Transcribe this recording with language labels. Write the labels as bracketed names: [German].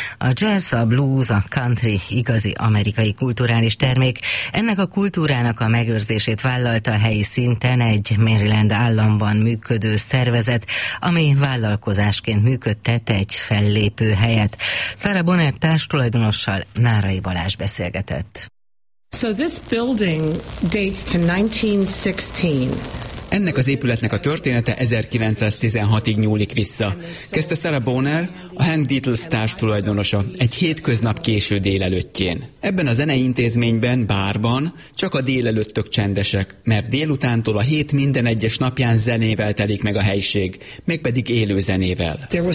[Hungarian] A jazz, a blues, a country igazi amerikai kulturális termék. Ennek a kultúrának a megőrzését vállalta a helyi szinten egy Maryland államban működő szervezet, ami vállalkozásként működtette egy fellépő helyet. Sarah Bonner társtulajdonossal Nárai Balázs beszélgetett. [English] So this building dates to 1916. [Hungarian] Ennek az épületnek a története 1916-ig nyúlik vissza. Kezdte Sarah Bonner, a Hank Dietl's társ tulajdonosa, egy hétköznap késő délelőttjén. Ebben a zenei intézményben, bárban, csak a délelőttök csendesek, mert délutántól a hét minden egyes napján zenével telik meg a helyiség, mégpedig élő zenével.